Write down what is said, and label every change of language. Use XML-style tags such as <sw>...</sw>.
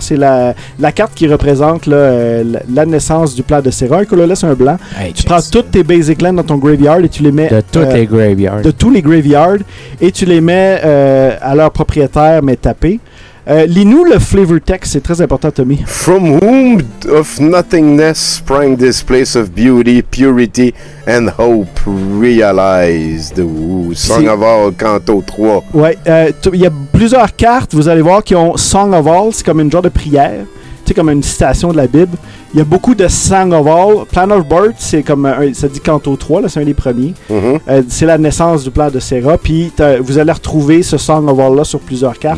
<fr>C'est la carte qui représente là, la naissance du plan de Serra. Un colorless, un blanc. Hey, tu prends toutes tes basic lands dans ton graveyard et tu les mets... De toutes les graveyards. De tous les graveyards. Et tu les mets à leur propriétaire, mais tapé. Lis-nous le flavor text, c'est très important, Tommy.</fr> <en>From whom of nothingness sprang this place of beauty, purity and hope realized. Song of All, canto 3.</en> <fr>Ouais, il y a plusieurs cartes, vous allez voir, qui ont Song of All, c'est comme une genre de prière, tu sais, comme une citation de la Bible. Il y a beaucoup de Song of All. Plan of Birth, c'est comme ça dit canto 3, là, c'est un des premiers. Mm-hmm. C'est la naissance du plan de Serra. Puis vous allez retrouver ce Song of All-là sur plusieurs cartes.</fr>